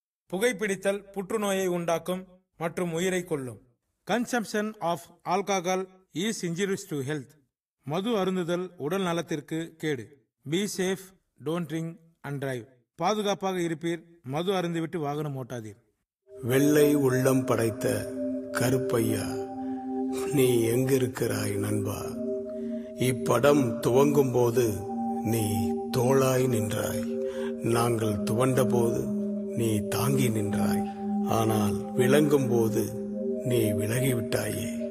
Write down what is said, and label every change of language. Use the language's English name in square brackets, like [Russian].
[Tamil] புகைப்பிடித்தல் புற்றுநோயை உண்டாக்கும் மற்றும் உயிரை கொல்லும். [English] Consumption of alcohol is injurious to health. [Tamil] மது அருந்துதல் உடல் நலத்திற்கு கேடு. [English] Be safe, don't drink and drive. [Tamil] பாதுகாப்பாக இருப்பீர், மது அருந்துவிட்டு வாகனம் ஓட்டாதீர். வெள்ளை உள்ளம் படைத்த கருப்பையா, நீ எங்கிருக்கிறாய் நண்பா? இப்படம் துவங்கும் போது நீ தோளாய் நின்றாய், நாங்கள் துவண்ட போது நீ தாங்கி நின்றாய், ஆனால் விளங்கும் போது நீ விலகிவிட்டாயே.